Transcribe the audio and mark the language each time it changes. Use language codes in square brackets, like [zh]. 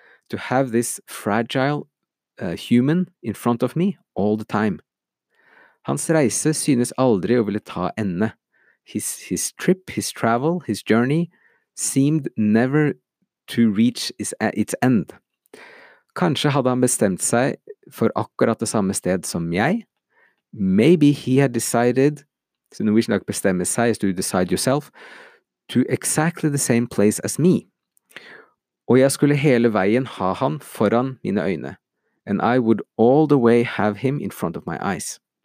[en] To have this fragile human in front of me all the time. [no] Hans reise synes aldri å ville ta ende. [en] His trip, his travel, his journey seemed never to reach its end. [no] Kanskje hadde han bestemt seg for akkurat det samme sted som jeg. [en] Maybe he had decided, [no] så nå vil jeg nok bestemme seg, [en] as to decide yourself, to exactly the same place as me. [no] Og jeg skulle hele veien ha han foran mine øyne. [en] And I would all the way have him in front of my eyes.